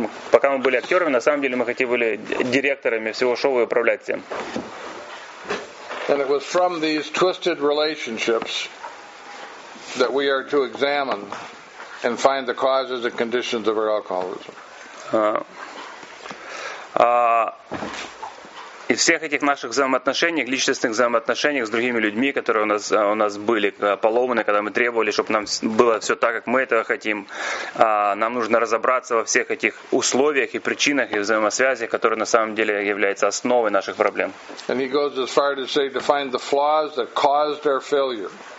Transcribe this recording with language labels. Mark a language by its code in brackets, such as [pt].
[ru] Пока мы были актерами, на самом деле мы хотели были директорами всего шоу и управлять всем. [en] And it was from these twisted relationships that we are to examine and find the causes and conditions of our alcoholism. [ru] И всех этих наших взаимоотношений, личностных взаимоотношений с другими людьми, которые у нас были поломаны, когда мы требовали, чтобы нам было все так, как мы этого хотим, нам нужно разобраться во всех этих условиях и причинах и взаимосвязях, которые на самом деле являются основой наших проблем. [en] And he goes as far to say to find the flaws that caused our failure.